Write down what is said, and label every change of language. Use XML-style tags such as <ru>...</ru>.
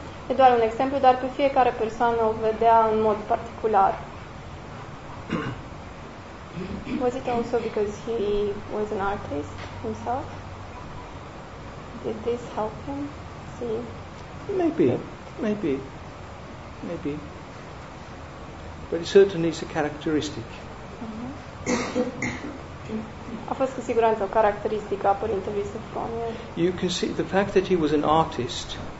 <ro>E doar un exemplu, dar pe fiecare persoană o vedea în mod particular.</ro> <en>Was it also because he was an artist himself? Did this help him see? Maybe. But it certainly is a characteristic.</en> <ro>A fost cu siguranță o caracteristică a părintelui Sofronie.</ro> <en>You can see the fact that he was an artist.</en>